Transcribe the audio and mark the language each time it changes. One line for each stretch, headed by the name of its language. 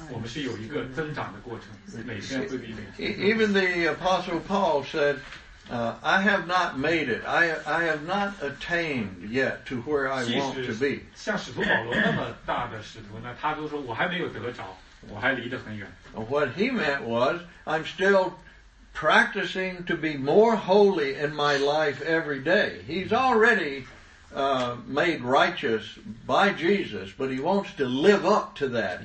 Chinese: 所以在地位上呢，我们是从信的那一刻就已经是完全够资格。但是呢，在这个地上我们信完以后还有活着这段时间，神是让我们把这个东西活出来，就practice出来的。那个呢，我们是有一个增长的过程，每天会比每天。
English: Even the Apostle Paul said, I have not made it. I have not attained yet to where I want to be.
Chinese: 像使徒保罗那么大的使徒呢，他都说我还没有得着，我还离得很远。
English: What he meant was, I'm still practicing to be more holy in my life every day. He's already made righteous by Jesus, but he wants to live up to that.